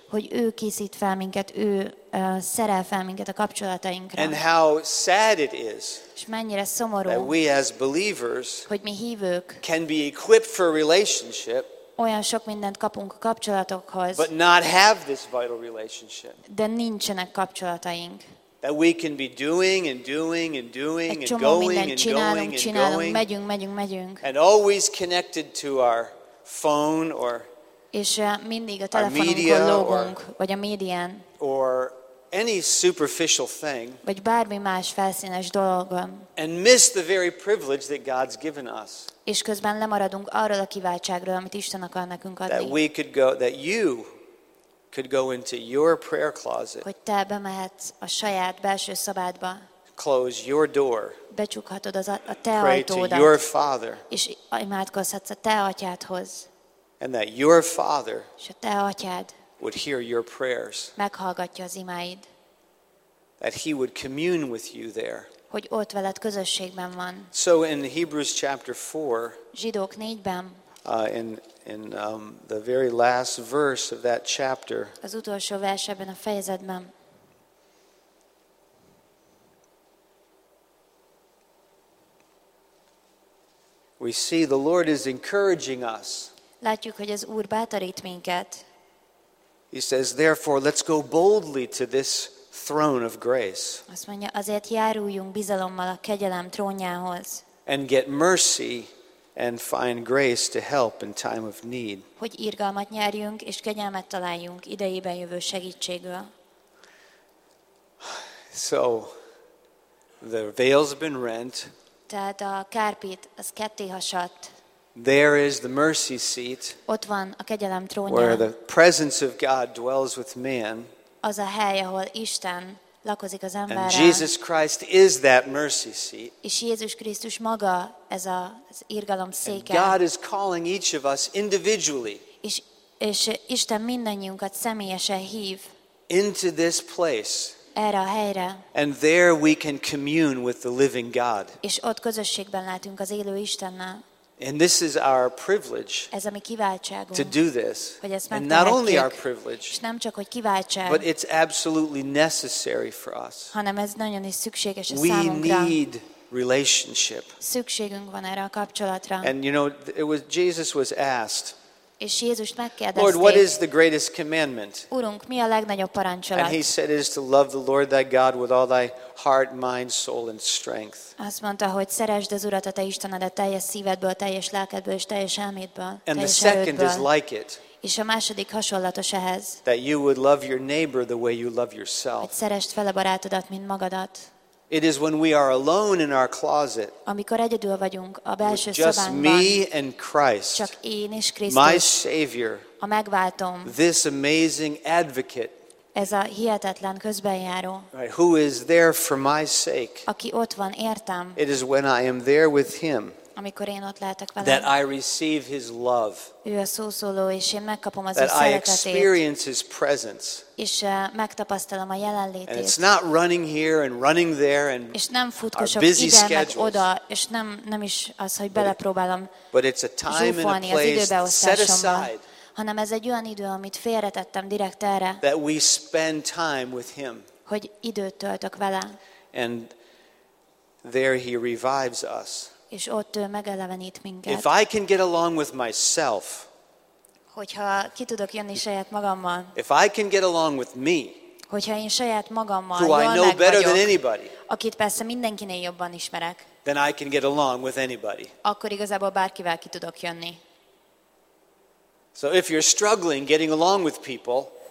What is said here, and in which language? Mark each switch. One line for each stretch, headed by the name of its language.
Hungarian: Hogy ő készít fel minket, ő szerel fel minket a kapcsolatainkra.
English: And how sad it is,
Hungarian: és mennyire szomorú,
English: that we as believers,
Hungarian: hogy mi hívők,
English: can be equipped for relationship,
Hungarian: olyan sok mindent kapunk a kapcsolatokhoz,
English: but not have this vital relationship,
Hungarian: de nincsenek kapcsolataink.
English: That we can be doing and doing and doing and going and going and going.
Hungarian: Csinálunk, megyünk.
English: And always connected to our phone or
Hungarian: és mindig a telefonunkon lógunk, vagy a médián.
English: Or any superficial thing.
Hungarian: Vagy bármi más felszínes dologon.
English: And miss the very privilege that God's given us.
Hungarian: És közben lemaradunk arról a kiváltságról, amit Isten akar nekünk adni.
English: That we could go, that you could go into your prayer closet.
Hungarian: Hogy te bemehetsz a saját belső szobádba.
English: Close your door.
Hungarian: Becsukhatod az a te ajtódat.
English: Pray to your Father.
Hungarian: És imádkozhatsz a te atyádhoz.
English: And that your Father.
Hungarian: És a te atyád.
English: Would hear your prayers.
Hungarian: Meghallgatja az imáid.
English: That he would commune with you there.
Hungarian: Hogy ott veled közösségben van.
English: So in Hebrews chapter 4,
Hungarian: Zsidók 4-ben,
English: in the very last verse of that chapter,
Hungarian: az utolsó versében a fejezetben,
English: we see the Lord is encouraging us.
Hungarian: Látjuk, hogy az Úr bátorít minket.
English: He says, therefore, let's go boldly to this throne of grace.
Hungarian: Azt mondja, azért járuljunk bizalommal a kegyelem trónjához.
English: And get mercy and find grace to help in time of need.
Hungarian: Hogy irgalmat nyerjünk és kegyelmet találjunk idejében jövő segítségül.
English: So, the veil's been rent.
Hungarian: Tehát a kárpit, az ketté hasadt.
English: There is the mercy seat.
Hungarian: Ott van a kegyelem trónja.
English: Where the presence of God dwells with man.
Hungarian: Az a hely, ahol Isten lakozik az emberrel.
English: And Jesus Christ is that mercy seat.
Hungarian: És Jézus Krisztus maga ez az irgalom széke.
English: God is calling each of us individually.
Hungarian: És és Isten mindannyiunkat személyesen hív.
English: Into this place.
Hungarian: Erre a helyre.
English: And there we can commune with the living God.
Hungarian: És ott közösségben lehetünk az élő Istennel.
English: And this is our privilege.
Hungarian: Ez a mi kiváltságunk.
English: To do this.
Hungarian: Hogy ezt megtehetjük.
English: And not only our privilege.
Hungarian: És nem csak hogy kiváltság.
English: But it's absolutely necessary for us.
Hungarian: Hanem ez nagyon is szükséges a számunkra.
English: We need relationship.
Hungarian: Szükségünk van erre a kapcsolatra.
English: And you know, it was Jesus was asked.
Hungarian: És Jézust megkérdezték.
English: Lord, what is the greatest commandment?
Hungarian: Urunk, mi a legnagyobb parancsolat?
English: And he said, it is to love the Lord thy God with all thy heart, mind, soul, and strength.
Hungarian: Azt mondta, hogy szeresd az Urat, a te Istenedet teljes szívedből, teljes lelkedből és teljes elmédből.
English: And the second is like it.
Hungarian: És a második hasonlatos ehhez.
English: That you would love your neighbor the way you love yourself.
Hungarian: Hogy szeresd fel a barátodat, mint magadat.
English: It is when we are alone in our closet.
Hungarian: Amikor egyedül vagyunk a belső szobánkban.
English: Just me and Christ.
Hungarian: Csak én és Krisztus.
English: My Savior.
Hungarian: A megváltom.
English: This amazing advocate.
Hungarian: Ez a hihetetlen közbenjáró.
English: Right, who is there for my sake?
Hungarian: Aki ott van értem.
English: It is when I am there with him.
Hungarian: Amikor én ott lehetek vele.
English: That I receive his love.
Hungarian: Ő a szószóló, és én megkapom az ő szeretetét.
English: I experience his presence.
Hungarian: És megtapasztalom a jelenlétét.
English: And it's not running here and running there and
Hungarian: és nem futkosok ide meg oda, és nem is az, hogy belepróbálom.
English: But it's a time and a place set aside.
Hungarian: Hanem ez egy olyan idő, amit félretettem direkt erre.
English: That we spend time with him.
Hungarian: Hogy időt töltök vele.
English: And there he revives us.
Hungarian: És ott ő megelevenít minket.
English: If I can get along with myself,
Hungarian: hogyha ki tudok jönni saját magammal,
English: if I can get along with me,
Hungarian: hogyha én saját magammal,
English: who I know better than anybody,
Hungarian: akit persze mindenkinél jobban ismerek,
English: then I can get along with anybody.
Hungarian: Akkor igazából bárkivel ki tudok jönni.
English: So if you're struggling getting along with people,